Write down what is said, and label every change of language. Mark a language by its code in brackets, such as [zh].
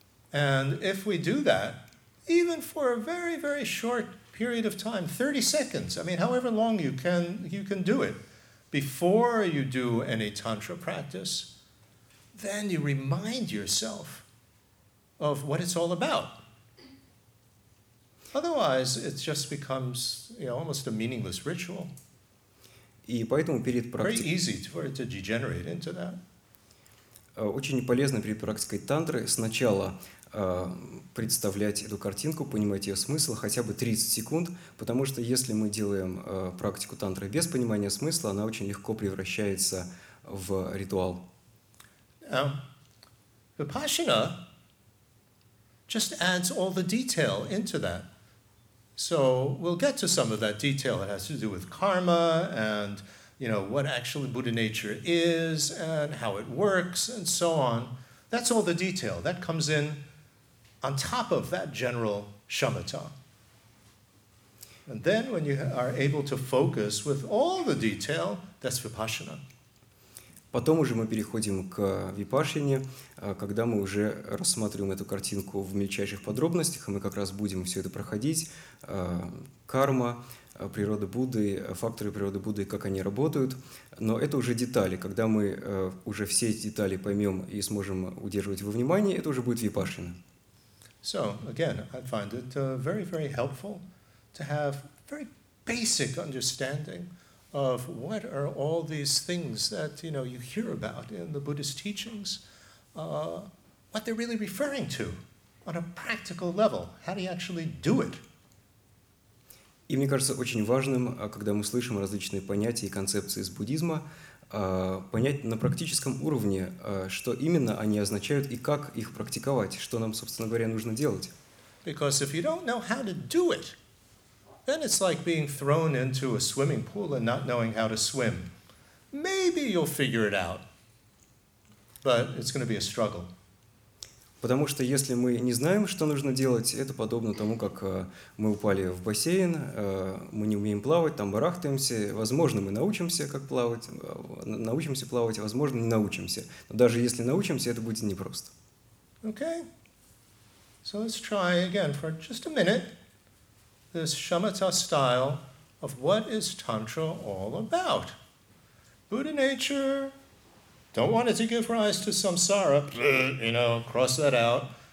[en] And if we do that, even for a very, very short period of time, 30 seconds, I mean, however long you can do it, before you do any tantra practice, then you remind yourself of what it's all about. Otherwise, it just becomes, you know, almost a meaningless ritual. [ru] И поэтому перед практикой... [en] Very easy for it to degenerate into that. [ru] Очень полезно перед практикой тантры сначала представлять эту картинку, понимать ее смысл хотя бы 30 секунд, потому что если мы делаем практику тантры без понимания смысла, она очень легко превращается в ритуал. [en] Vipassana just adds all the detail into that. So we'll get to some of that detail. It has to do with karma and, you know, what actually Buddha nature is and how it works and so on. That's all the detail that comes in on top of that general shamatha. And then when you are able to focus with all the detail, that's vipassana. [ru] Потом уже мы переходим к випашине, когда мы уже рассматриваем эту картинку в мельчайших подробностях, и мы как раз будем все это проходить. Карма, природа Будды, факторы природы Будды, как они работают. Но это уже детали. Когда мы уже все эти детали поймем и сможем удерживать во внимании, это уже будет випашина. [en] So, again, I find it very, very helpful to have very basic understanding of what are all these things that, you know, you hear about in the Buddhist teachings, what they're really referring to on a practical level. How do you actually do it? [ru] И мне кажется очень важным, когда мы слышим различные понятия и концепции из буддизма, понять на практическом уровне, что именно они означают и как их практиковать, что нам, собственно говоря, нужно делать. [en] Because if you don't know how to do it, then it's like being thrown into a swimming pool and not knowing how to swim. Maybe you'll figure it out, but it's going to be a struggle. [ru] Потому что если мы не знаем, что нужно делать, это подобно тому, как мы упали в бассейн, мы не умеем плавать, там барахтаемся, возможно, мы научимся, как плавать, научимся плавать, возможно, не научимся. Но даже если научимся, это будет непросто. [en] Okay. So let's try again for just a minute this shamatha style of what is Tantra all about. Buddha nature. Don't want it to give rise to samsara, you know, cross that out.